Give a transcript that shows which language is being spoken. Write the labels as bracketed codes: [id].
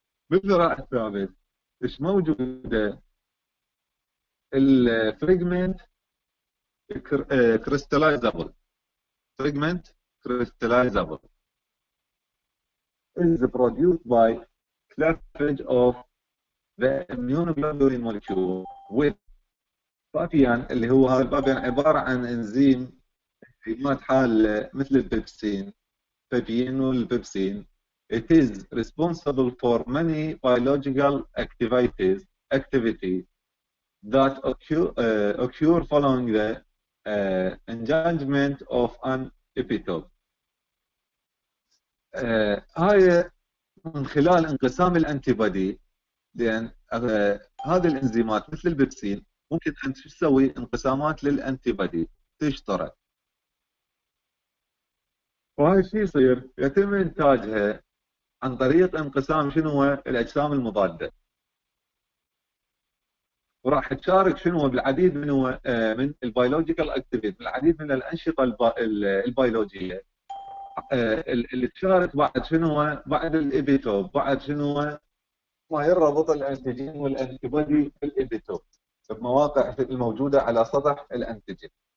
[ar] بالذراع الثابت ايش موجودة؟ الفريجمنت كريستالايزابل، فريجمنت كريستالايزابل [en] is produced by cleavage of the immunoglobulin molecule with [ar] Fabian اللي هو هذا Fabian عبارة عن إنزيم إنزيمات حالة مثل البيبسين Fabian والبيبسين. [en] It is responsible for many biological activity that occur following the engagement of an epitope. [ar] هاي من خلال انقسام الانتيبادي، لان هذه الانزيمات مثل البيبسين ممكن ان تسوي انقسامات للانتيبادي تشترك، وهاي الشيء يصير يتم انتاجها عن طريق انقسام شنو الاجسام المضاده، وراح تشارك شنو بالعديد من البيولوجيكال اكتيفيتي، بالعديد من الانشطه البيولوجيه اللي تشارك بعد شنو بعد الابيتوب، بعد شنو ما يربط الانتيجين والانتيبادي بالابيتوب بمواقع الموجوده على سطح الانتيجين.